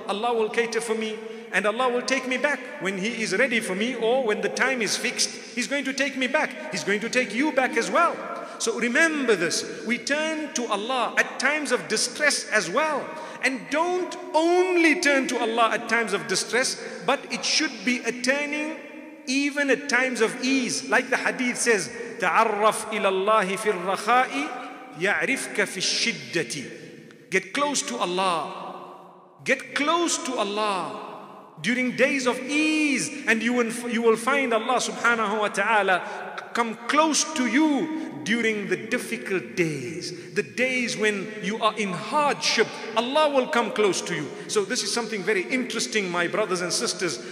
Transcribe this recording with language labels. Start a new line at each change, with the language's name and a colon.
English: Allah will cater for me and Allah will take me back when He is ready for me, or when the time is fixed, He's going to take me back. He's going to take you back as well. So remember this, we turn to Allah at times of distress as well. And don't only turn to Allah at times of distress, but it should be a turning even at times of ease. Like the hadith says,
Arabic: تَعَرَّفْ إِلَى اللَّهِ فِي الرَّخَاءِ يَعْرِفْكَ فِي الشِّدَّةِ.
English: Get close to Allah. Get close to Allah during days of ease, and you will find Allah subhanahu wa ta'ala come close to you during the difficult days, the days when you are in hardship. Allah will come close to you. So this is something very interesting, my brothers and sisters.